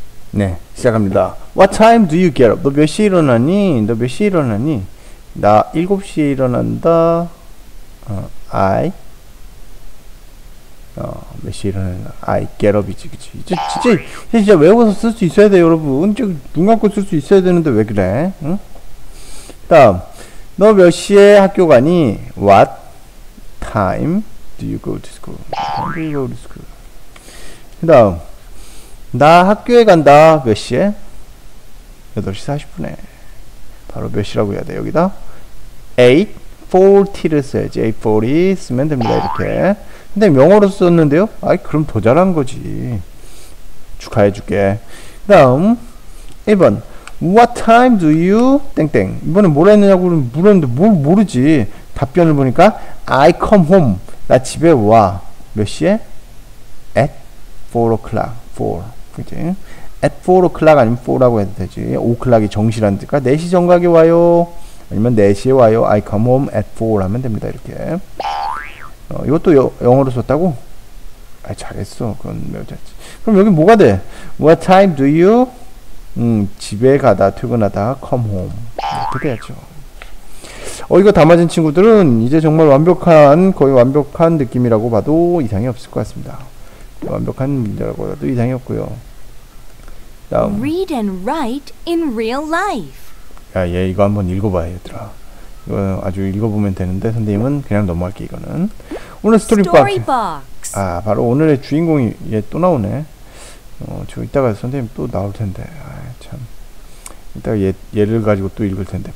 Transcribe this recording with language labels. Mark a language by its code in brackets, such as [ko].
[ko] 네, 시작합니다. [en] What time do you get up? [ko] 너 몇 시에 일어나니? 너 몇 시에 일어나니? 나 7시에 일어난다. I 몇 시에 일어나냐? [en] I get up이지, [ko] 그치? 진짜 외워서 쓸 수 있어야 돼, 여러분. 눈 감고 쓸 수 있어야 되는데 왜 그래? 응? 다음, 너 몇 시에 학교 가니? [en] What time do you go to school? Do you go to school? [ko] 다음. 나 학교에 간다. 몇 시에? 8시 40분에. 바로 몇 시라고 해야 돼, 여기다? 8:40를 써야지. 8:40 쓰면 됩니다, 이렇게. 근데 영어로 썼는데요? 아이, 그럼 더 잘한 거지. 축하해줄게. 그 다음, 1번. [en] What time do you, [ko] 땡땡. 이번에 뭘 했느냐고 물었는데 뭘 모르지. 답변을 보니까, [en] I come home. [ko] 나 집에 와. 몇 시에? [en] At 4 o'clock. [ko] 이제 [en] at 4 o'clock [ko] 아니면 4라고 해도 되지. 5 o'clock이 정시란 뜻일까? 4시 정각에 와요. 아니면 4시에 와요. [en] I come home at 4 [ko] 하면 됩니다. 이렇게. 이것도 영어로 썼다고? 아, 잘했어. 그건 매우 잘했지. 그럼 여기 뭐가 돼? [en] What time do you? [ko] 집에 가다 퇴근하다 [en] come home. [ko] 이렇게 돼야죠. 이거 다 맞은 친구들은 이제 정말 완벽한 거의 완벽한 느낌이라고 봐도 이상이 없을 것 같습니다. 완벽한 문제라고 해도 이상이 없고요. 다음. [en] Read and write in real life. [ko] 야, 얘 이거 한번 읽어봐 얘들아. 이거 아주 읽어보면 되는데 선생님은 그냥 넘어갈게 이거는. 오늘 스토리박스. 아, 바로 오늘의 주인공이 얘또 나오네. 저 이따가 선생님 또 나올 텐데. 아, 참. 이따가 얘를 가지고 또 읽을 텐데.